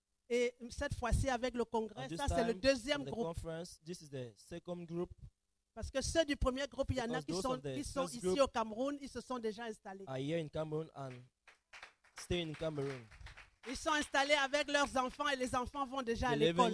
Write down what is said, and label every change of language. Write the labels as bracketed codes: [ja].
[fr] Et cette fois-ci avec le congrès, ça c'est le deuxième groupe. [en] This is the second group. [fr] Parce que ceux du premier groupe, il y en a qui sont ici au Cameroun, ils se sont déjà installés. [en] Are here in Cameroon and stay in Cameroon. [fr] Ils sont installés avec leurs enfants et les enfants vont déjà à l'école